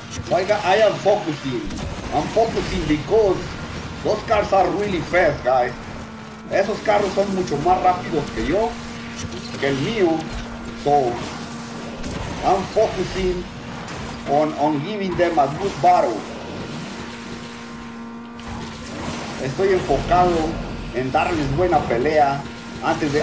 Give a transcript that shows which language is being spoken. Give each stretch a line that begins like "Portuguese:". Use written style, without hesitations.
English: Like I am focusing. I'm focusing because those cars are really fast, guys.
Spanish: Esos carros son mucho más rápidos que yo, que el mío.
English: So, I'm focusing on giving them a good battle.
Spanish: Estoy enfocado en darles buena pelea antes de...